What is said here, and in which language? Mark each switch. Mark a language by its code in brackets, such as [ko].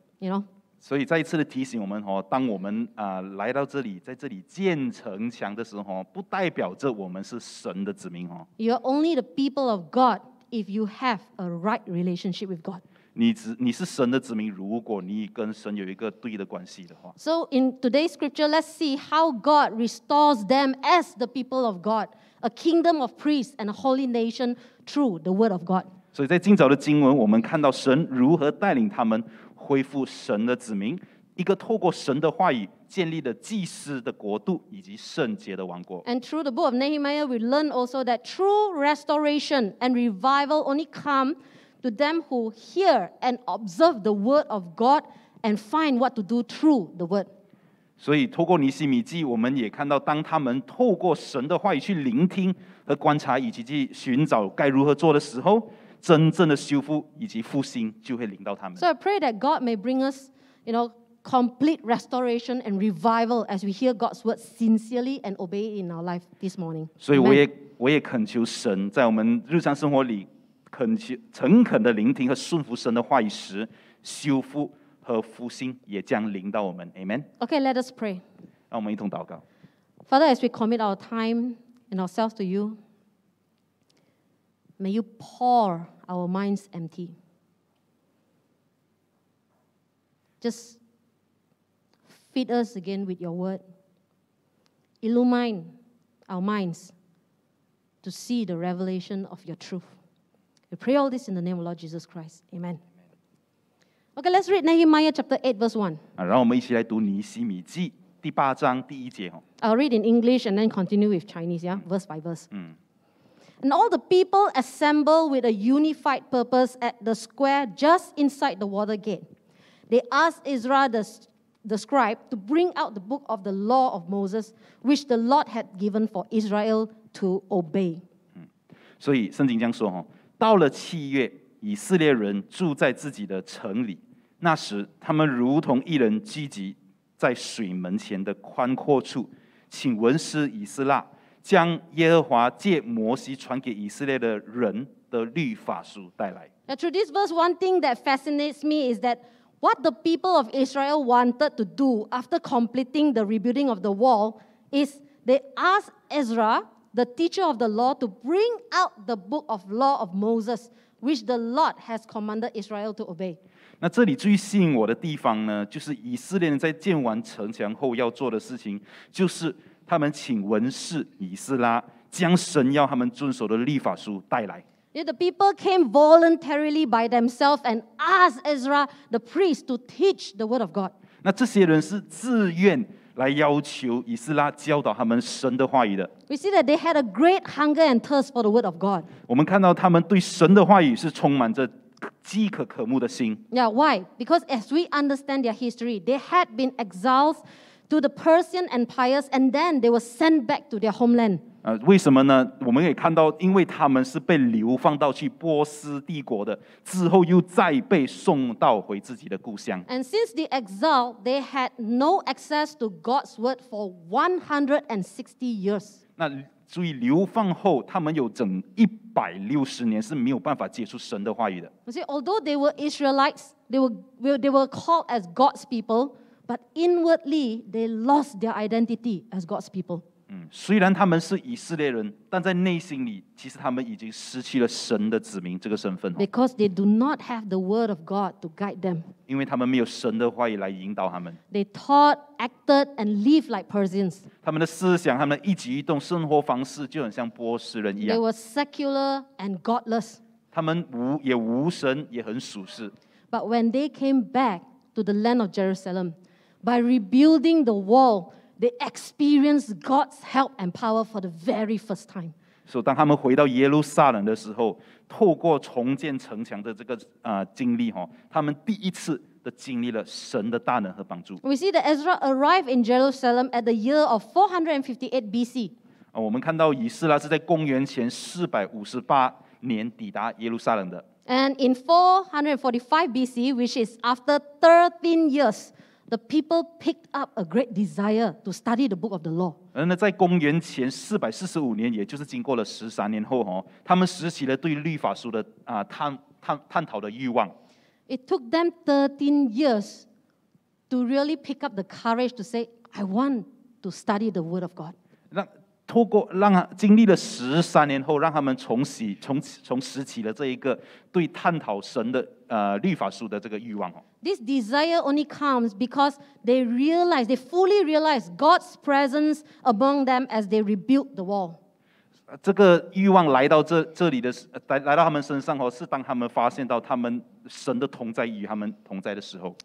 [en] You know? [zh] 所以再一次的提醒我们当我们来到这里在这里建城墙的时候不代表着我们是神的子民。 [en] You are only the people of God if you have a right relationship with God. [zh] 你是神的子民如果你跟神有一个对的关系的话。 [en] So in today's scripture, let's see how God restores them as the people of God, a kingdom of priests and a holy nation through the word of God. [zh] 所以在今早的经文我们看到神如何带领他们恢复神的子民，一个透过神的话语建立的祭司的国度以及圣洁的王国。 [en] And through the book of Nehemiah, we learn also that true restoration and revival only come to them who hear and observe the word of God and find what to do through the word. [zh] 所以透过尼西米记，我们也看到，当他们透过神的话语去聆听和观察，以及去寻找该如何做的时候。真正的修复以及复兴就会临到他们。 [en] So I pray that God may bring us, you know, complete restoration and revival as we hear God's word sincerely and obey it in our life this morning. [zh] 所以我也恳求神在我们日常生活里诚恳的聆听和顺服神的话语时，修复和复兴也将临到我们。 [en] Amen. Okay, let us pray. [zh] 让我们一同祷告。 [en] Father, as we commit our time and ourselves to you. May you pour our minds empty. Just feed us again with your word. Illumine our minds to see the revelation of your truth. We pray all this in the name of Lord Jesus Christ. Amen. Okay, let's read Nehemiah chapter 8, verse 1. [zh] 让我们一起来读尼西米记第八章第一节。 [en] I'll read in English and then continue with Chinese, yeah? Verse by verse. And all the people assembled with a unified purpose at the square just inside the water gate. They asked Ezra the scribe to bring out the book of the law of Moses, which the Lord had given for Israel to obey. [zh] 所以圣经这样说，到了七月，以色列人住在自己的城里，那时他们如同一人聚集在水门前的宽阔处，请文士以斯拉。将耶和华借摩西传给以色列的人的律法书带来。 [en] Now, through this verse, one thing that fascinates me is that what the people of Israel wanted to do after completing the rebuilding of the wall is they asked Ezra, the teacher of the law, to bring out the book of law of Moses, which the Lord has commanded Israel to obey. [zh] 那这里最吸引我的地方呢，就是以色列人在建完城墙后要做的事情，就是。他们请文士以斯拉将神要他们遵守的律法书带来。 [en] The people came voluntarily by themselves and asked Ezra, the priest, to teach the word of God. [zh] 那这些人是自愿来要求以斯拉教导他们神的话语的。 [en] We see that they had a great hunger and thirst for the word of God. [zh] 我们看到他们对神的话语是充满着饥渴渴慕的心。 [en] Yeah, why? Because as we understand their history, they had been exiled to the Persian empires and then they were sent back to their homeland. [zh] 为什么呢？我们可以看到，因为他们是被流放到去波斯帝国的，之后又再被送到回自己的故乡。 [en] And since the exile, they had no access to God's word for 160 years. [zh] 那注意，流放后，他们有整160年是没有办法接触神的话语的。 [en] You see, although they were Israelites, they were called as God's people, but inwardly they lost their identity as God's people. [zh] 虽然他们是以色列人，但在内心里，其实他们已经失去了神的子民这个身份。 [en] Because they do not have the word of God to guide them. [zh] 因为他们没有神的话语来引导他们。 [en] They thought, acted, and lived like Persians. [zh] 他们的思想、他们的一举一动、生活方式就很像波斯人一样。 [en] They were secular and godless. [zh] 他们也无神，也很属世。 [en] But when they came back to the land of Jerusalem, by rebuilding the wall,They experienced God's help and power for the very first time. So, [zh] 当他们回到耶路撒冷的时候，透过重建城墙的这个经历哈，他们第一次的经历了神的大能和帮助。 [en] We see that Ezra arrived in Jerusalem at the year of 458 BC. [zh] 我们看到以斯拉是在公元前458年抵达耶路撒冷的。 [en] And in 445 BC, which is after 13 years. The people picked up a great desire to study the book of the law. [zh] 那在公元前445年，也就是经过了13年后，他们拾起了对律法书的探讨的欲望。 [en] It took them 13 years to really pick up the courage to say, I want to study the word of God. [zh] 让经历了13年后，让他们重拾起了这一个对探讨神的律法书的这个欲望。 [en] This desire only comes because they fully realize God's presence among them as they rebuild the wall. [zh] 这个欲望来到这里的来到他们身上哦，是当他们发现到他们神的同在与他们同在的时候。